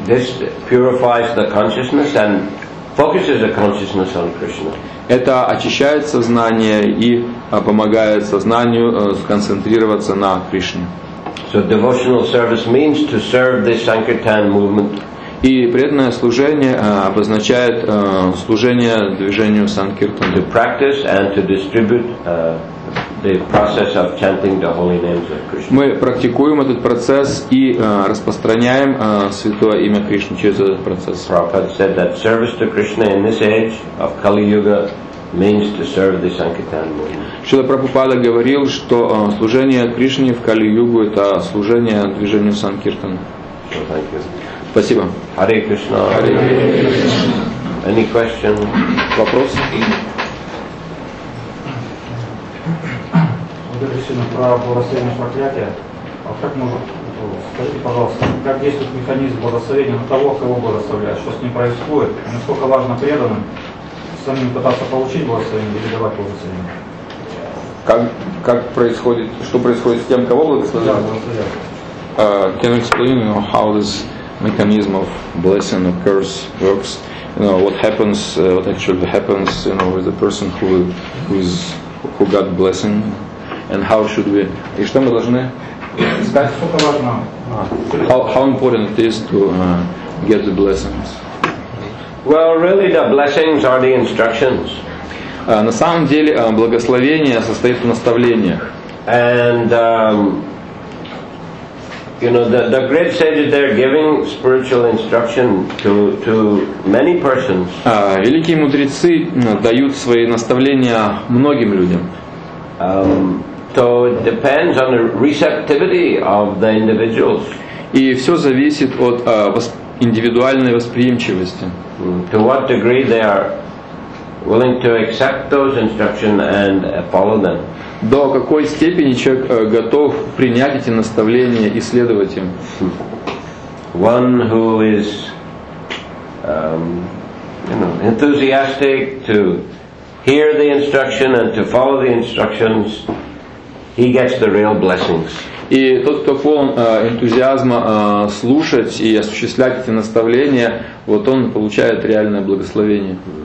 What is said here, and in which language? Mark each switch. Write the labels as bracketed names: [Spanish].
[English] This purifies the consciousness and focuses the consciousness on Krishna. [Russian] Это очищает сознание и помогает сознанию сконцентрироваться на Кришне. [English] So devotional service means to serve the sankirtan movement. [Russian] И преданное служение обозначает служение движению санкиртаны. [English] To practice and to distribute the process of chanting the holy names of Krishna. [Russian] Мы практикуем этот процесс и распространяем святое имя Кришны через этот процесс. [English] Prabhupada said that service to Krishna in this age of Kali Yuga means to serve the sankirtan movement. [Russian] Шрила Прабхупада говорил, что служение Кришне в Кали-югу это служение движению санкиртан. Спасибо. [Sanskrit] Hare Krishna. Hare [English] Krishna. Any question? [Russian] Вопрос? Удивительно про благословение проклятия. А как можно? Скажите, пожалуйста, как действует механизм благословения на того, кого благословляют? Что с ним происходит? Насколько важно преданным самим пытаться получить благословение или давать благословение? Как происходит? Что происходит с тем, кого благословляют? Да, [English] Can you explain how this mechanism of blessing or curse works? You know, what happens? What actually happens? You know, with the person who got blessing, and how should we? [Russian] И что мы должны искать? Сколько важно? [English] How important it is to get the blessings? Well, really, the blessings are the instructions. [Russian] На самом деле, благословение состоит в наставлениях. [English] And you know, the great sages, they're giving spiritual instruction to many persons. [Russian] Великие мудрецы дают свои наставления многим людям. [English] So it depends on the receptivity of the individuals. [Russian] И все зависит от индивидуальной восприимчивости. [English] To what degree they are willing to accept those instructions and follow them. [Russian] До какой степени человек готов принять эти наставления и следовать им? [English] One who is, you know, enthusiastic to hear the instruction and to follow the instructions, he gets the real blessings. [Russian] И тот, кто полон энтузиазма слушать и осуществлять эти наставления, вот он получает реальное благословение.